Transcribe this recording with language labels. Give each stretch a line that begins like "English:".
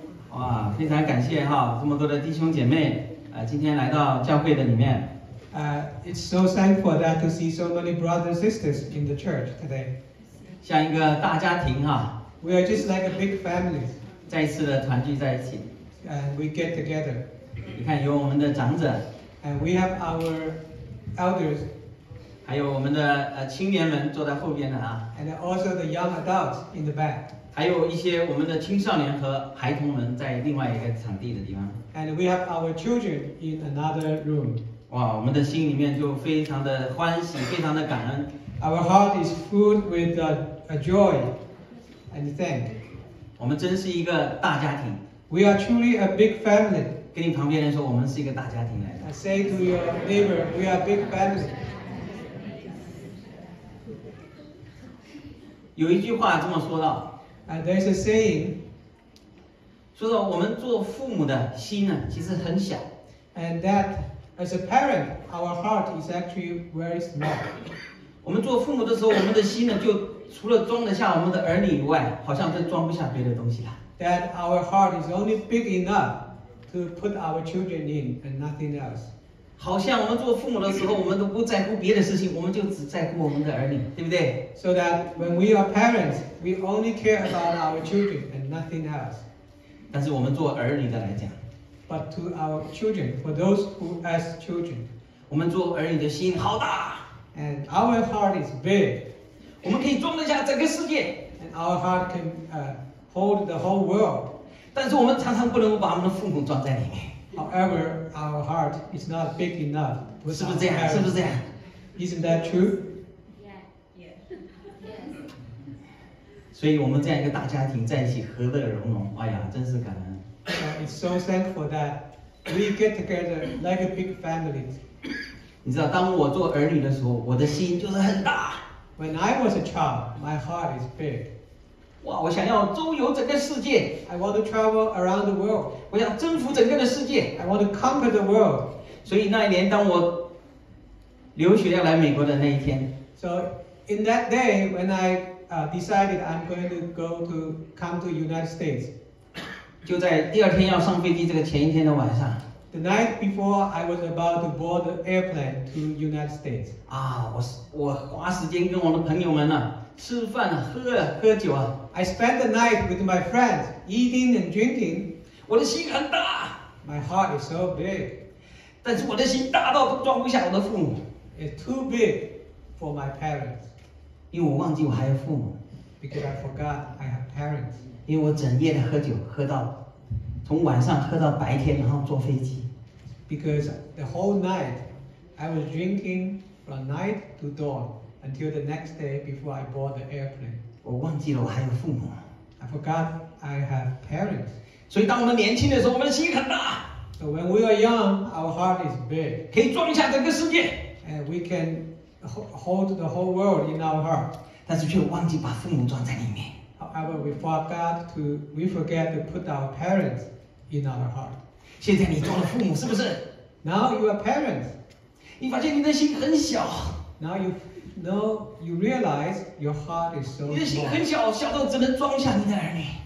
Chinese: 哇，非常感谢哈，这么多的弟兄姐妹，今天来到教会的里面。
English: It's so thankful that to see so many brothers and sisters in the church today.
Chinese: 像一个大家庭哈。
English: We are just like a big family.
Chinese: 再一次的团聚在一起。
English: And we get together.
Chinese: 你看，有我们的长者。
English: And we have our elders.
Chinese: 还有我们的青年们坐在后边的啊。
English: And also the young adults in the back.
Chinese: 还有一些我们的青少年和孩童们在另外一个场地的地方。
English: And we have our children in another room.
Chinese: 哇，我们的心里面就非常的欢喜，非常的感恩。
English: Our heart is filled with a joy. And thank.
Chinese: 我们真是一个大家庭。
English: We are truly a big family.
Chinese: 跟你旁边人说，我们是一个大家庭来的。
English: Say to your neighbor, we are a big family.
Chinese: 有一句话这么说到。
English: And there's a saying.
Chinese: 说到我们做父母的心呢，其实很小。
English: And that as a parent, our heart is actually very small.
Chinese: 我们做父母的时候，我们的心呢，就除了装得下我们的儿女以外，好像都装不下别的东西了。
English: That our heart is only big enough to put our children in and nothing else.
Chinese: 好像我们做父母的时候，我们都不在乎别的事情，我们就只在乎我们的儿女，对不对？
English: So that when we are parents, we only care about our children and nothing else.
Chinese: 但是我们做儿女的来讲，
English: But to our children, for those who as children,
Chinese: 我们做儿女的心好大，
English: and our heart is big.
Chinese: 我们可以装得下整个世界，
English: and our heart can hold the whole world.
Chinese: 但是我们常常不能把我们的父母装在里面。
English: However, our heart is not big enough.
Chinese: 是不是这样？是不是这样？
English: Isn't that true? Yeah, yes.
Chinese: 所以我们这样一个大家庭在一起和乐融融，哎呀，真是感恩。
English: It's so thankful that we get together like a big family.
Chinese: 你知道，当我做儿女的时候，我的心就是很大。
English: When I was a child, my heart is big.
Chinese: 哇，我想要周游整个世界。
English: I want to travel around the world.
Chinese: 我想征服整个的世界。
English: I want to conquer the world.
Chinese: 所以那一年，当我留学要来美国的那一天。
English: So in that day when I decided I'm going to come to United States.
Chinese: 就在第二天要上飞机这个前一天的晚上。
English: The night before I was about to board the airplane to United States.
Chinese: 啊，我花时间跟我的朋友们呢。吃饭啊，喝酒啊。
English: I spent the night with my friends, eating and drinking.
Chinese: 我的心很大。
English: My heart is so big.
Chinese: 但是我的心大到装不下我的父母。
English: It's too big for my parents.
Chinese: 因为我忘记我还有父母。
English: Because I forgot I have parents.
Chinese: 因为我整夜的喝酒，喝到从晚上喝到白天，然后坐飞机。
English: Because the whole night I was drinking from night to dawn. Until the next day before I board the airplane.
Chinese: 我忘记了我还有父母。
English: I forgot I have parents.
Chinese: 所以当我们年轻的时候，我们的心很大。
English: So when we are young, our heart is big.
Chinese: 可以装下整个世界。
English: And we can hold the whole world in our heart.
Chinese: 但是却忘记把父母装在里面。
English: However, we forget to put our parents in our heart.
Chinese: 现在你做了父母，是不是？
English: Now you are parents.
Chinese: 你发现你的心很小。
English: No, you realize your heart is so small.
Chinese: 你的心很小，小到只能装下你的儿女。